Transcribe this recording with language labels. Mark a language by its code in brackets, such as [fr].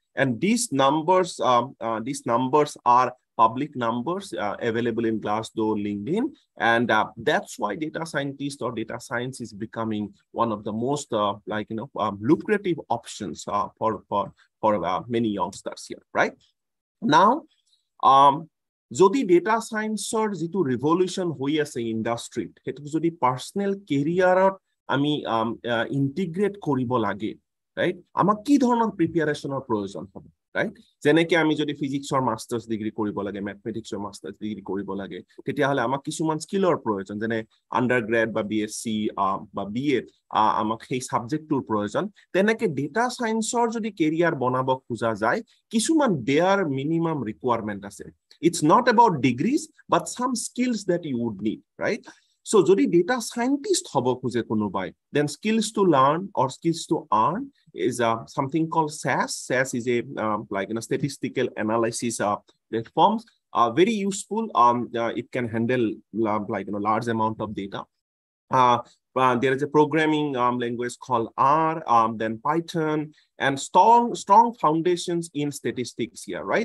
[en] And these numbers are public numbers available in Glassdoor, LinkedIn. And that's why data scientist or data science is becoming one of the most lucrative options for many youngsters here, right? [as] Now, যদি data সায়েন্সৰ যিটো revolution হৈ আছে ইণ্ডাষ্ট্ৰীত সেইটো যদি personal কেৰিয়াৰত আমি integrate কৰিব লাগে ৰাইট আমাক কি ধৰণৰ প্ৰিপেয়াৰেশ্যনৰ প্ৰয়োজন হ'ব ৰাইট যেনেকৈ আমি যদি ফিজিক্সৰ মাষ্টাৰ্ছ ডিগ্ৰী কৰিব লাগে মেথমেটিক্সৰ মাষ্টাৰ্ছ ডিগ্ৰী কৰিব লাগে তেতিয়াহ'লে আমাক কিছুমান স্কিলৰ প্ৰয়োজন যেনে আণ্ডাৰগ্ৰেড বা বি এছ চি বা বি এড আমাক সেই ছাবজেক্টটোৰ প্ৰয়োজন তেনেকৈ ডেটা চায়েন্সৰ যদি কেৰিয়াৰ বনাব খোজা যায় কিছুমান বেয়াৰ মিনিমাম ৰিকুৱাৰমেণ্ট আছে [en] It's not about degrees, but some skills that you would need, right? So, [as] jodi data scientist hobo khuje kono bhai, [en] then skills to learn or skills to earn is something called SAS. SAS is a statistical analysis platform, very useful. It can handle large amount of data. There is a programming language called R, then Python, and strong foundations in statistics here, right?